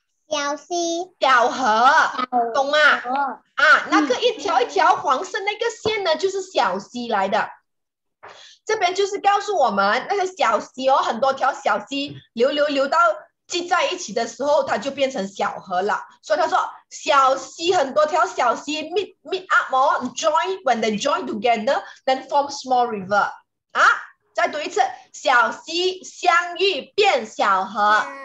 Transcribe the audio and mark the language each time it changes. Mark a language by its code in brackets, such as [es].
[zh] 小溪。小河。懂吗？啊，那个一条一条黄色那个线呢，就是小溪来的。这边就是告诉我们，那些小溪哦，很多条小溪流流流到。聚在一起的时候，它就变成小河了。所以他说，小溪很多条小溪 [en] meet up 哦 ，join when they join together, then form small river。 [zh] 啊，再读一次，小溪相遇变小河。